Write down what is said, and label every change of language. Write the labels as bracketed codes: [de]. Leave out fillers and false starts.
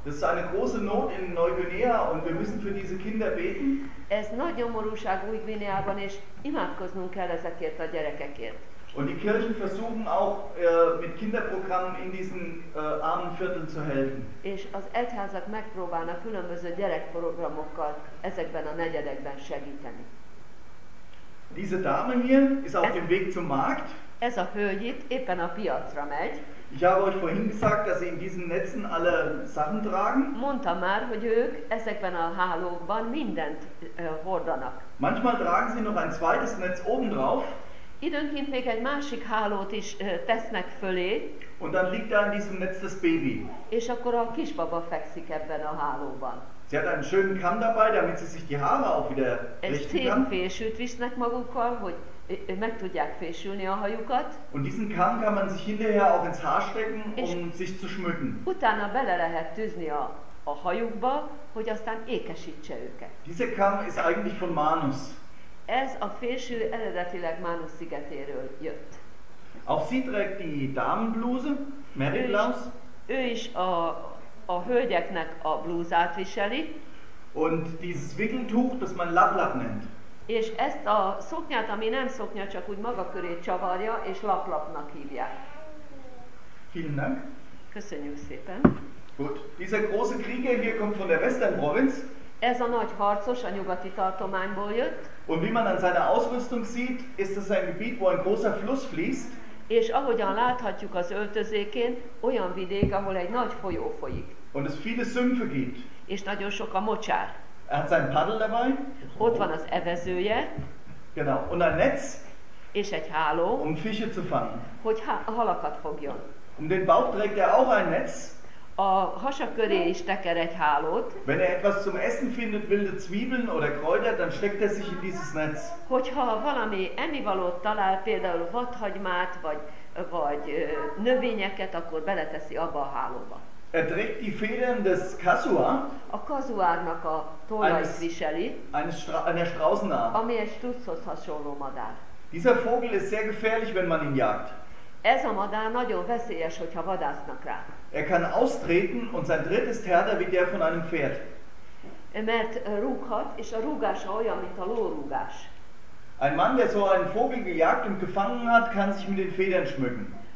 [de] Das ist eine große Not in Neuguinea und wir müssen für diese Kinder beten. [hu] Ez nagy nyomorúság Új-Guineában, és imádkoznunk kell ezekért a gyerekekért. [de] Und die Kirchen versuchen auch mit Kinderprogrammen in diesen armen Vierteln zu helfen. [hu] És az egyházak megpróbálnak különböző gyerekprogramokkal ezekben a negyedekben segíteni. [de] Diese Dame hier ist auf dem Weg zum Markt. [hu] Ez a hölgy itt éppen a piacra megy. [de] Ich habe euch vorhin gesagt, dass sie in diesen Netzen alle Sachen tragen. [hu] Mondtam már, hogy ők ezekben a hálókban mindent hordanak. [de] Manchmal tragen sie noch ein zweites Netz obendrauf. [hu] Időnként még egy másik hálót is tesznek fölé. [de] Und dann liegt da in diesem Netz das Baby. [hu] És akkor a kisbaba fekszik ebben a hálóban. [de] Sie hat einen schönen Kamm dabei, damit sie sich die Haare auch wieder richten kann. [hu] Egy szépfésűt visznek magukkal, hogy meg tudják fésülni a hajukat. [de] Und diesen Kamm kann man sich hinterher auch ins Haar stecken, um sich zu schmücken. [hu] Utána bele lehet tűzni a hajukba, hogy aztán ékesítse őket. [de] Dieser Kamm ist eigentlich von Manus. [hu] Ez a fésű eredetileg Manus szigetéről jött. [de] Auch sie trägt die Damenbluse, Mary Blouse. [hu] Ő is a hölgyeknek a blúzát viseli. [de] Und dieses Wickeltuch, das man Laplap nennt. [hu] És ezt a szoknyát, ami nem szoknya, csak úgy maga köré csavarja, és Laplapnak hívják. [de] Vielen Dank. [hu] Köszönjük szépen. [de] Gut, dieser große Krieger hier kommt von der Western Province. [hu] Ez a nagy harcos a nyugati tartományból jött. [de] Und wie man an seiner Ausrüstung sieht, ist es ein Gebiet, wo ein großer Fluss fließt. [hu] És ahogyan láthatjuk az öltözékén, olyan vidék, ahol egy nagy folyó folyik. [de] Und es viele Sümpfe gibt. [hu] És nagyon sok a mocsár. [de] Er hat sein Paddel dabei. [hu] Ott van az evezője. [de] Genau. Und ein Netz. [hu] És egy háló. [de] Um Fische zu fangen. [hu] Hogy halakat fogjon. [de] Um den Bauch trägt er auch ein Netz. [hu] A hasa köré is teker egy hálót. [de] Wenn er etwas zum Essen findet, wilde Zwiebeln oder Kräuter, dann steckt er sich in dieses Netz. [hu] Hogyha valami ennivalót talál, például vadhagymát vagy növényeket, akkor beleteszi abba a hálóba. [de] Er trägt die Federn des Kasuar. [hu] A kazuárnak a tollait viseli. [de] Einer Straußenart. [hu] Ami egy struszhoz hasonló madár. [de] Dieser Vogel ist sehr gefährlich, wenn man ihn jagt. [hu] Ez a madár nagyon veszélyes, hogyha vadásznak rá. [de] Er kann austreten und sein Tritt ist härter wie der von einem Pferd. [hu] Mert rúghat, és a rúgása olyan, mint a lórúgás. [de] Ein Mann, der so einen Vogel gejagt und gefangen hat, kann sich mit den Federn schmücken.